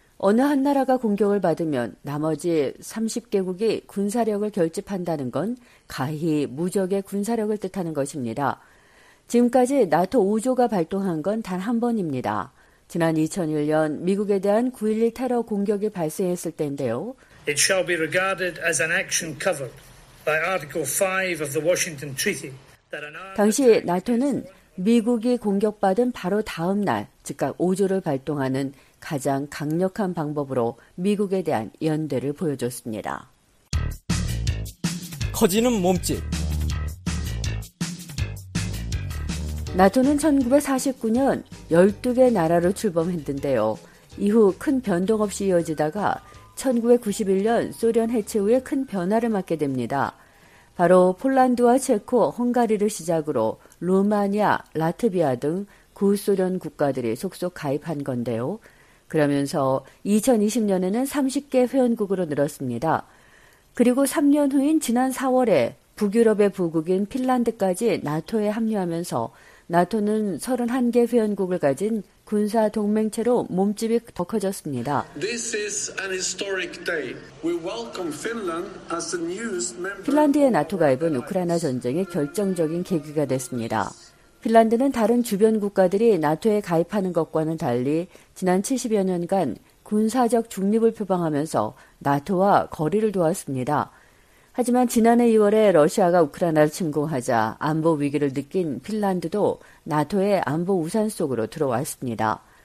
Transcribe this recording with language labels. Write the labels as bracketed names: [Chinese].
[Korean] 어느 한 나라가 공격을 받으면 나머지 30개국이 군사력을 결집한다는 건 가히 무적의 군사력을 뜻하는 것입니다. 지금까지 나토 5조가 발동한 건 단 한 번입니다. 지난 2001년 미국에 대한 9.11 테러 공격이 발생했을 때인데요. [English] It shall be regarded as an action covered by Article 5 of the Washington Treaty. [Korean] 당시 나토는 미국이 공격받은 바로 다음 날, 즉각 5조를 발동하는 가장 강력한 방법으로 미국에 대한 연대를 보여줬습니다. 커지는 몸집. 나토는 1949년 12개 나라로 출범했는데요. 이후 큰 변동 없이 이어지다가 1991년 소련 해체 후에 큰 변화를 맞게 됩니다. 바로 폴란드와 체코, 헝가리를 시작으로 루마니아, 라트비아 등 구소련 국가들이 속속 가입한 건데요. 그러면서 2020년에는 30개 회원국으로 늘었습니다. 그리고 3년 후인 지난 4월에 북유럽의 부국인 핀란드까지 나토에 합류하면서 나토는 31개 회원국을 가진 군사 동맹체로 몸집이 더 커졌습니다. [English] This is an historic day. We welcome Finland as a new member. [Korean] 핀란드의 나토 가입은 우크라이나 전쟁의 결정적인 계기가 됐습니다. 핀란드는 다른 주변 국가들이 나토에 가입하는 것과는 달리 지난 70여 년간 군사적 중립을 표방하면서 나토와 거리를 두었습니다. 하지만 지난해 2월에 러시아가 우크라이나를 침공하자 안보 위기를 느낀 핀란드도 나토의 안보 우산 속으로 들어왔습니다.